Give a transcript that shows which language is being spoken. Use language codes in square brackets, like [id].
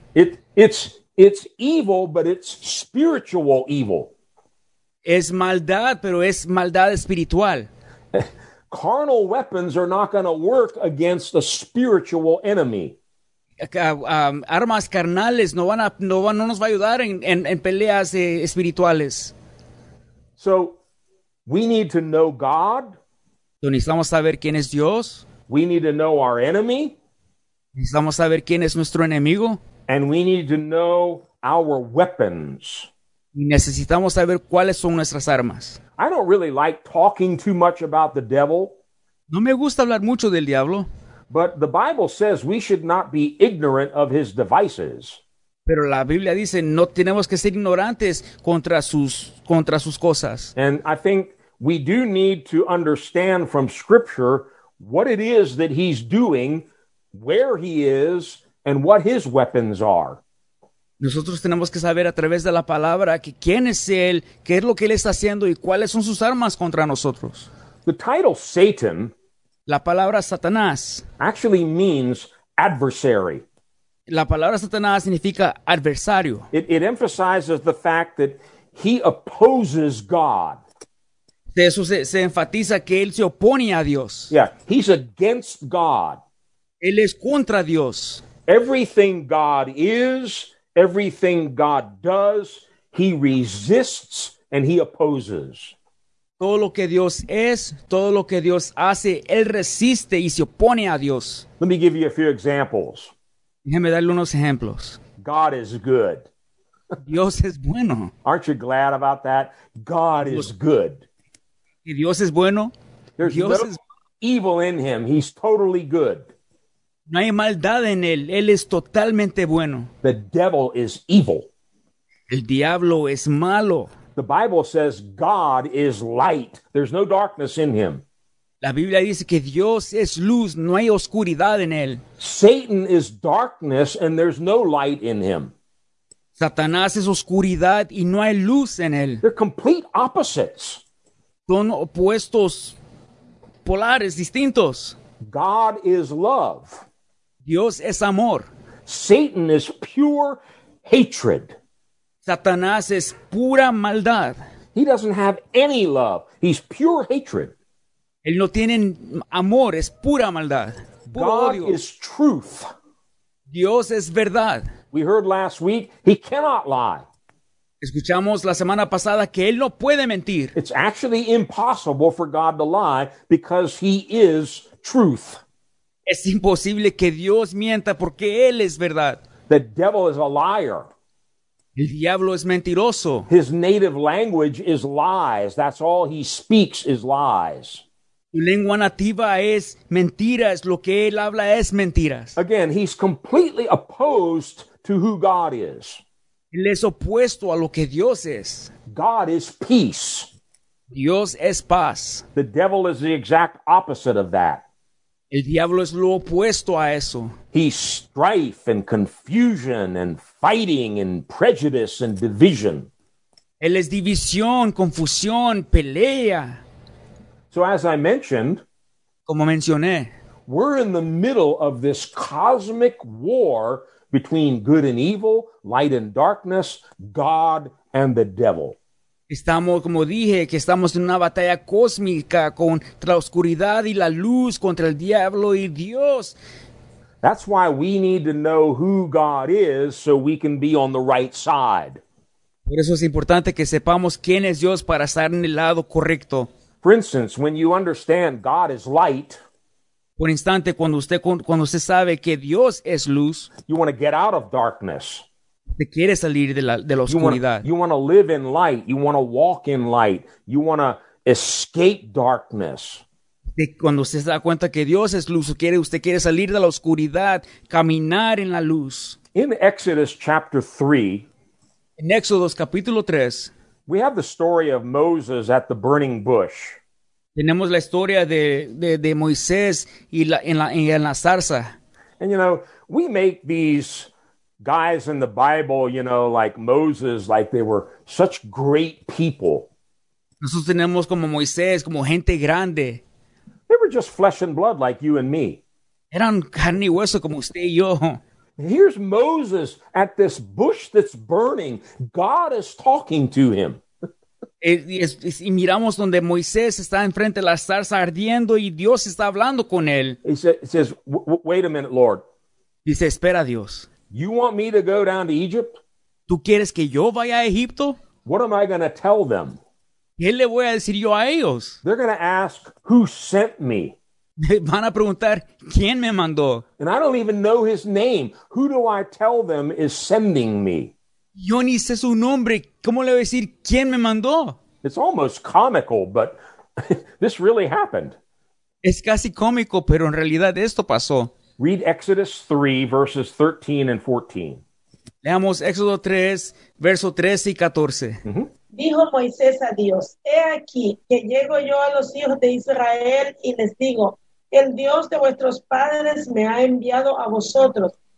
[en] It's evil, but it's spiritual evil. [es] Es maldad, pero es maldad espiritual. [en] Carnal weapons are not going to work against a spiritual enemy. [es] Armas carnales no nos va a ayudar en peleas espirituales. [en] So, we need to know God. [es] Necesitamos saber quién es Dios. [en] We need to know our enemy. [es] Necesitamos saber quién es nuestro enemigo. [en] And we need to know our weapons. [es] Necesitamos saber cuáles son nuestras armas. [en] I don't really like talking too much about the devil. [es] No me gusta hablar mucho del diablo. [en] But the Bible says we should not be ignorant of his devices. [es] Pero la Biblia dice no tenemos que ser ignorantes contra sus cosas. [en] And I think we do need to understand from Scripture what it is that he's doing, where he is, and what his weapons are. [es] Nosotros tenemos que saber a través de la palabra que quién es él, qué es lo que él está haciendo y cuáles son sus armas contra nosotros. [en] The title Satan, [es] la palabra Satanás, [en] actually means adversary. [es] La palabra Satanás significa adversario. [en] It emphasizes the fact that he opposes God. [es] De eso se enfatiza que él se opone a Dios. [en] Yeah, he's against God. [es] Él es contra Dios. [en] Everything God is, everything God does, he resists and he opposes. [es] Todo lo que Dios es, todo lo que Dios hace, él resiste y se opone a Dios. [en] Let me give you a few examples. [es] Déjeme darle unos ejemplos. [en] God is good. [es] Dios es bueno. [en] Aren't you glad about that? God is good. [es] ¿Y Dios es bueno? [en] There's no evil in him. He's totally good. [es] No hay maldad en él. Él es totalmente bueno. [en] The devil is evil. [es] El diablo es malo. [en] The Bible says God is light. There's no darkness in him. [es] La Biblia dice que Dios es luz. No hay oscuridad en él. [en] Satan is darkness and there's no light in him. [es] Satanás es oscuridad y no hay luz en él. [en] They're complete opposites. [es] Son opuestos polares distintos. [en] God is love. [es] Dios es amor. [en] Satan is pure hatred. [es] Satanás es pura maldad. [en] He doesn't have any love. He's pure hatred. [es] Él no tiene amor, es pura maldad. [en] God is truth. [es] Dios es verdad. [en] We heard last week, he cannot lie. [es] Escuchamos la semana pasada que él no puede mentir. [en] It's actually impossible for God to lie because he is truth. [es] Es imposible que Dios mienta porque él es verdad. [en] The devil is a liar. [es] El diablo es mentiroso. [en] His native language is lies. That's all he speaks is lies. [es] Su lengua nativa es mentiras. Lo que él habla es mentiras. [en] Again, he's completely opposed to who God is. [es] Él es opuesto a lo que Dios es. [en] God is peace. [es] Dios es paz. [en] The devil is the exact opposite of that. [es] El diablo es lo opuesto a eso. [en] He's strife and confusion and fighting and prejudice and division. [es] Él es división, confusión, pelea. [en] So as I mentioned, [es] como mencioné, [en] we're in the middle of this cosmic war between good and evil, light and darkness, God and the devil. [es] Estamos, como dije, que estamos en una batalla cósmica contra la oscuridad y la luz, contra el diablo y Dios. [en] That's why we need to know who God is so we can be on the right side. [es] Por eso es importante que sepamos quién es Dios para estar en el lado correcto. [en] For instance, when you understand God is light, [es] por instante, cuando usted sabe que Dios es luz, [en] you want to get out of darkness. [es] Te quieres salir de la oscuridad. [en] You want to live in light. You want to walk in light. You want to escape darkness. [es] De cuando usted se da cuenta que Dios es luz, usted quiere salir de la oscuridad, caminar en la luz. [en] In Exodus chapter 3, [es] en Éxodo capítulo 3, [en] we have the story of Moses at the burning bush. [es] Tenemos la historia de Moisés y en la zarza. [en] And you know, we make these guys in the Bible, you know, like Moses, like they were such great people. [es] Nosotros tenemos como Moisés, como gente grande. [en] They were just flesh and blood like you and me. [es] Eran carne y hueso como usted y yo. [en] Here's Moses at this bush that's burning. God is talking to him. [es] Y miramos donde Moisés está enfrente de la zarza ardiendo y Dios está hablando con él. [en] He says, wait a minute, Lord. [es] Dice, espera, Dios. [en] You want me to go down to Egypt? [es] ¿Tú quieres que yo vaya a Egipto? [en] What am I going to tell them? [es] ¿Qué le voy a decir yo a ellos? [en] They're going to ask, who sent me? [es] Van a preguntar, ¿quién me mandó? [en] And I don't even know his name. Who do I tell them is sending me? [es] Yo ni sé su nombre. ¿Cómo le voy a decir quién me mandó? [en] It's almost comical, but this really happened. [es] Es casi cómico, pero en realidad esto pasó. [en] Read Exodus 3, verses 13 and 14. [es] Leamos Éxodo 3, verso 13 y 14. Mm-hmm. Dijo Moisés a Dios, he aquí que llego yo a los hijos de Israel y les digo, el Dios de vuestros padres me ha enviado a vosotros.